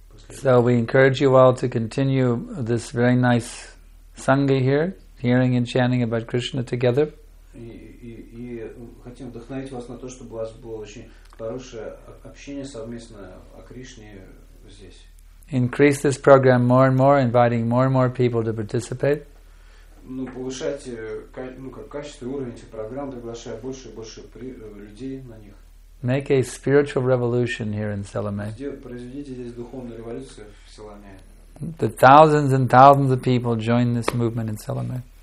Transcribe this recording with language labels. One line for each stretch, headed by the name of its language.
English: So we encourage you all to continue this very nice sangha here, hearing and chanting about Krishna together. Increase this program more and more, inviting more and more people to participate.
Russian: Ну, повышать, ну, как качество, уровень программ, приглашая больше и больше людей на них.
English: Make a spiritual revolution here in Salome. The thousands and thousands of people join this movement in Salome.